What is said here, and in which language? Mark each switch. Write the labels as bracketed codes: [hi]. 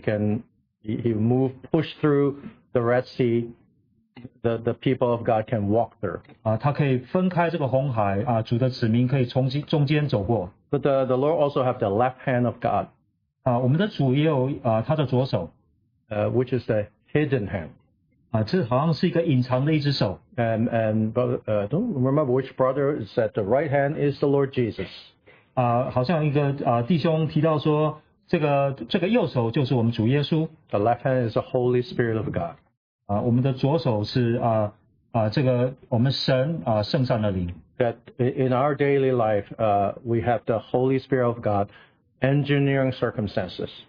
[en] can push through the Red Sea, the people of God can walk through. [zh] 他可以分开这个红海，主的子民可以从中间走过。 [en] But the Lord also have the left hand of God. [zh] 我们的主也有他的左手。 [en] Which is the hidden hand. [zh] 这好像是一个隐藏的一只手。 [en] And don't remember which brother said the right hand is the Lord Jesus. [zh] 好像一个弟兄提到说，这个右手就是我们主耶稣。 [en] The left hand is the Holy Spirit of God. [zh] 我们的左手是这个我们神圣善的灵。 [en] That in our daily life, we have the Holy Spirit of God engineering circumstances.